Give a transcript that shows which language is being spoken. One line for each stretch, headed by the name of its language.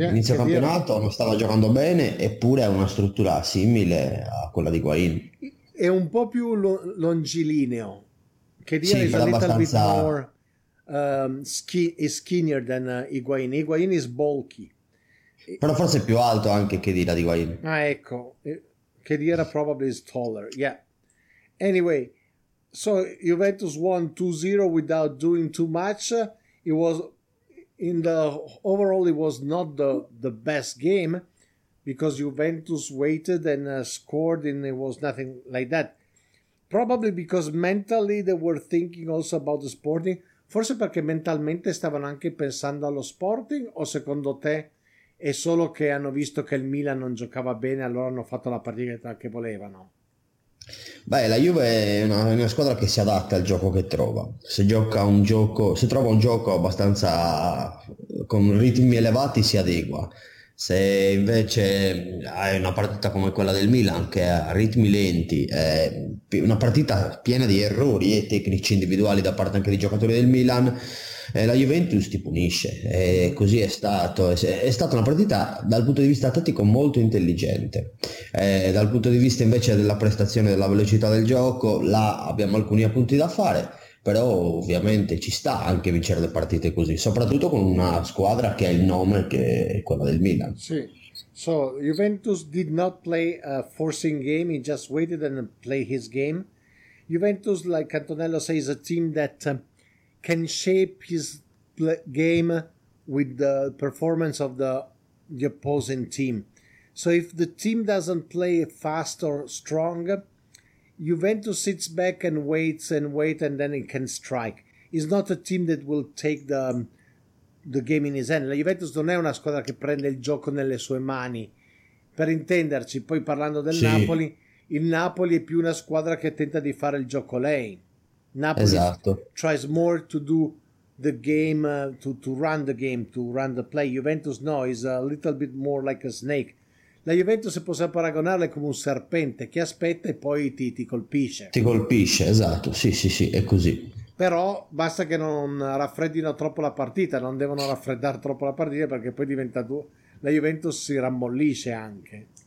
Italian: Inizio campionato, non stava giocando bene, eppure ha una struttura simile a quella di Higuain. È un po' più longilineo. Kedira è abbastanza...
English: little bit more skinnier than Higuain. Higuain is bulky.
Italian: Però forse è più alto anche Kedira di Higuain. Ah, ecco.
English: Kedira probably is taller, yeah. Anyway... So Juventus won 2-0 without doing too much. It was in the overall, it was not the best game because Juventus waited and scored, and it was nothing like that. Probably because mentally they were thinking also about the Sporting.
Italian: Forse perché mentalmente stavano anche pensando allo Sporting, o secondo te è solo che hanno visto che il Milan non giocava bene, allora hanno fatto la partita che volevano? Beh, la Juve è una squadra che si adatta al gioco che trova. Se trova un gioco abbastanza con ritmi elevati, si adegua. Se invece hai una partita come quella del Milan, che ha ritmi lenti, è una partita piena di errori e tecnici individuali da parte anche dei giocatori del Milan, la Juventus ti punisce. E così è stato. È stata una partita dal punto di vista tattico molto intelligente. Dal punto di vista invece della prestazione, della velocità del gioco, là abbiamo alcuni appunti da fare. Però ovviamente ci sta anche vincere le partite così, soprattutto con una squadra che ha il nome, che è quella del Milan.
English: Sì, so Juventus did not play a forcing game, he just waited and played his game. Juventus, like Antonello says, is a team that can shape his game with the performance of the opposing team. So if the team doesn't play fast or strong, Juventus sits back and waits and waits, and then it can strike. It's not a team that will take the game in his hand.
Italian: La Juventus non è una squadra che prende il gioco nelle sue mani. Per intenderci, poi parlando del sì. Napoli, il Napoli è più una squadra che tenta di fare il gioco lei. Napoli esatto.
English: Tries more to do the game, to run the game, to run the play. Juventus no, is a little bit more like a snake.
Italian: La Juventus possiamo paragonarla come un serpente che aspetta e poi ti colpisce. Ti colpisce, esatto, sì, è così. Però basta che non raffreddino troppo la partita, non devono raffreddare troppo la partita perché poi diventa due. La Juventus si rammollisce anche.